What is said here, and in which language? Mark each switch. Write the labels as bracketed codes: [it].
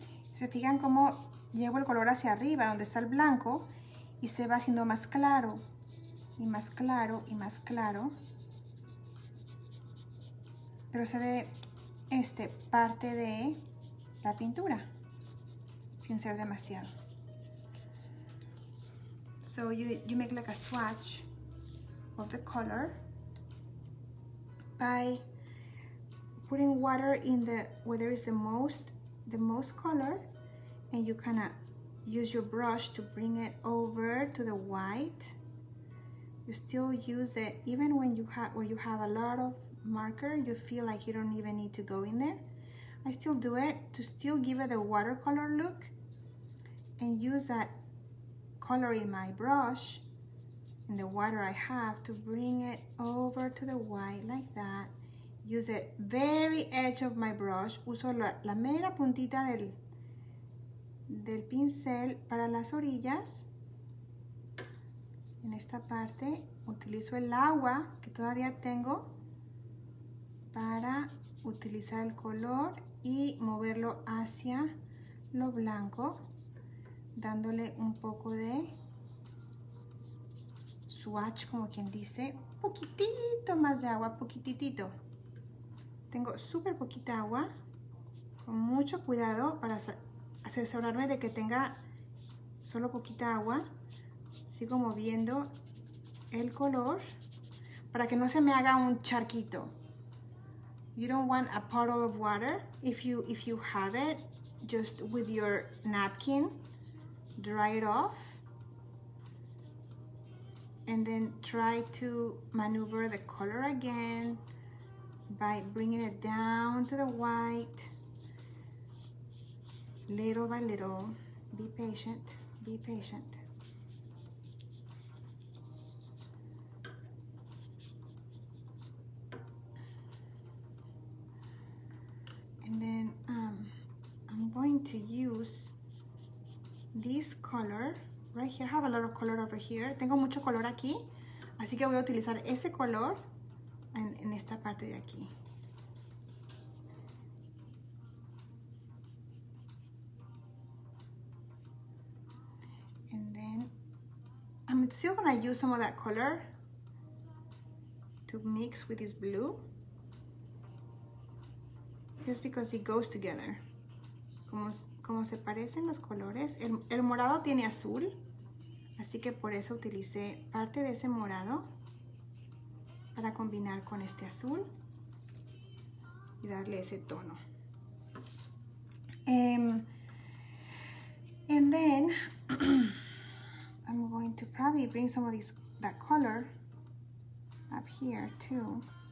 [es] Se fijan cómo llevo el color hacia arriba, donde está el blanco, y se va haciendo más claro, y más claro, y más claro. Pero se ve este parte de la pintura, sin ser demasiado. [en] So you make like a swatch of the color by putting water in the, where there is the most color. And you kind of use your brush to bring it over to the white. You still use it even when you have a lot of marker. You feel like you don't even need to go in there, I still do it to still give it a watercolor look and use that color in my brush and the water I have to bring it over to the white like that. Use the very edge of my brush. [es] Uso la mera puntita del pincel para las orillas. En esta parte utilizo el agua que todavía tengo para utilizar el color y moverlo hacia lo blanco, dándole un poco de swatch, como quien dice, poquitito más de agua, poquititito. Tengo súper poquita agua, con mucho cuidado para asegurarme de que tenga solo poquita agua. Sigo moviendo el color para que no se me haga un charquito. [en] You don't want a puddle of water. If you have it, just with your napkin, dry it off. And then try to maneuver the color again by bringing it down to the white, little by little. Be patient, be patient. And then I'm going to use this color right here. I have a lot of color over here. [es] Tengo mucho color aquí, así que voy a utilizar ese color en esta parte de aquí. [en] And then I'm still gonna use some of that color to mix with this blue, just because it goes together. [es] Como se parecen los colores, el morado tiene azul, así que por eso utilicé parte de ese morado para combinar con este azul y darle ese tono. [en] And then I'm going to probably bring some of that color up here too.